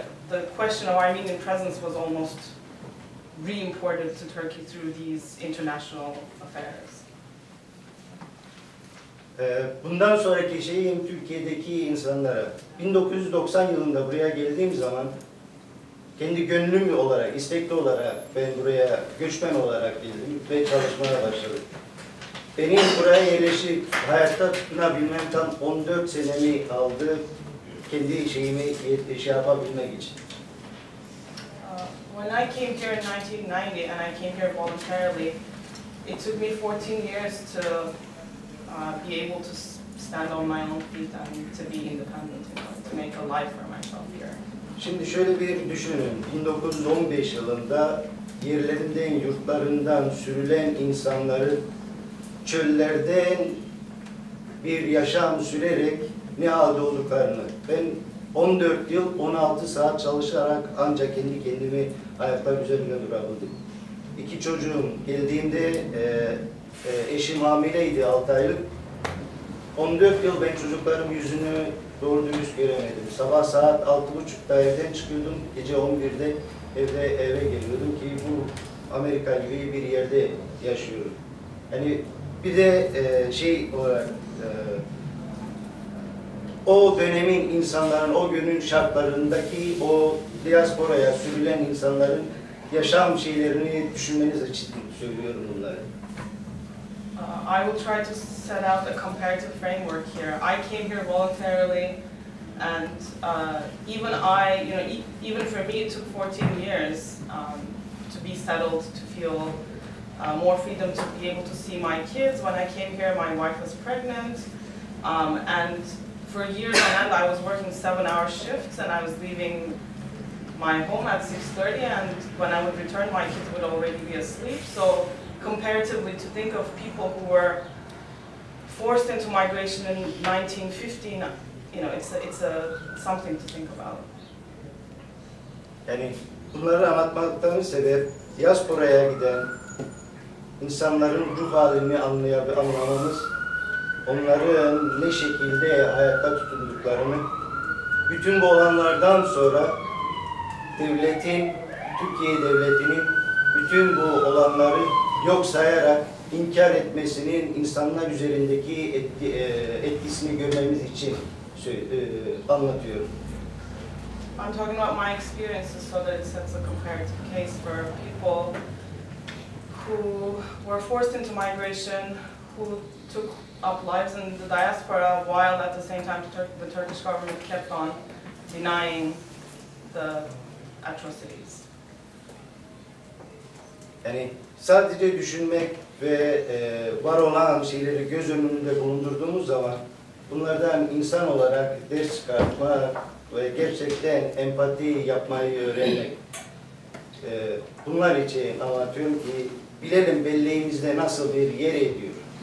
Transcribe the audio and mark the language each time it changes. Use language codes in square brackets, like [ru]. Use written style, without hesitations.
[en] The question of Armenian presence was almost re-imported to Turkey through these international affairs. [tr] Bundan sonraki şeyim Türkiye'deki insanlara 1990 yılında buraya geldiğim zaman kendi gönlüm olarak, istekli olarak ben buraya göçmen olarak geldim ve çalışmaya başladım. Benim buraya yerleşip hayatta tutunabilmem tam 14 senemi aldı kendi şeyimi şey yapabilmek için. When I came here in 1990 and I came here voluntarily, it took me 14 years to be able to stand on my own feet and to be independent, you know, to make a life for myself here. Şimdi şöyle bir düşünün. 1915 yılında yerlerinden, yurtlarından sürülen insanları çöllerden bir yaşam sürerek ne halde olduklarını. Ben 14 yıl 16 saat çalışarak ancak kendi kendimi ayaklar üzerinde durabildim. İki çocuğum geldiğimde eşim hamileydi 6 aylık. 14 yıl ben çocuklarım yüzünü doğru dürüst göremedim. Sabah saat 6.30'da evden çıkıyordum. Gece 11'de eve geliyordum ki bu Amerika gibi bir yerde yaşıyorum. Hani bir de şey olarak o dönemin insanların, o günün şartlarındaki o diasporaya sürülen insanların yaşam şeylerini düşünmeniz için söylüyorum bunları. [en] I will try to set out a comparative framework here. I came here voluntarily, and even I, you know, even for me, it took 14 years to be settled, to feel more freedom, to be able to see my kids. When I came here, my wife was pregnant, and for years on end, I was working 7-hour shifts, and I was leaving my home at 6:30, and when I would return, my kids would already be asleep. So comparatively, to think of people who were forced into migration in 1915, you know, it's a something to think about. [tr] Yani bunları anlatmaktan sebep diasporaya giden insanların ruh halini anlamamız, onların ne şekilde hayatta tutunduklarını, bütün bu olanlardan sonra devletin, Türkiye devletinin bütün bu olanları yok sayarak inkar etmesinin insanlar üzerindeki etkisini görmemiz için anlatıyorum. [en] I'm talking about my experiences so that it sets a comparative case for people who were forced into migration, who took up lives in the diaspora while at the same time the Turkish government kept on denying the atrocities. [tr] Yani sadece düşünmek ve var olan şeyleri göz önünde bulundurduğumuz zaman bunlardan insan olarak ders çıkartma ve gerçekten empati yapmayı öğrenmek bunlar için anlatıyorum ki bilelim belleğimizde nasıl bir yer ediyor.